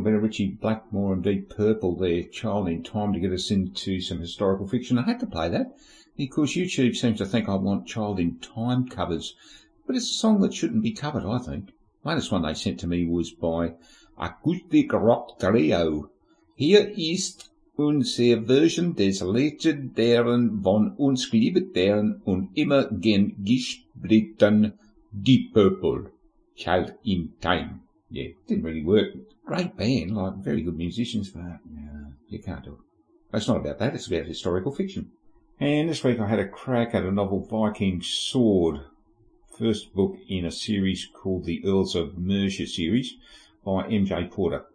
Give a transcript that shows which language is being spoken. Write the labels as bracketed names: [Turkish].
[English] Richie Blackmore and Deep Purple there, Child in Time, to get us into some historical fiction. I had to play that because YouTube seems to think I want Child in Time covers, but it's a song that shouldn't be covered, I think. The latest one they sent to me was by Acoustic Rock Trio. Here is [German] unser Version des Legendären von uns geliebten und immer gern gespielten Deep Purple, Child in Time. [English] Yeah, didn't really work. Great band, like very good musicians, but yeah, you can't do it. But it's not about that, it's about historical fiction. And this week I had a crack at a novel, Viking Sword, first book in a series called the Earls of Mercia series by MJ Porter.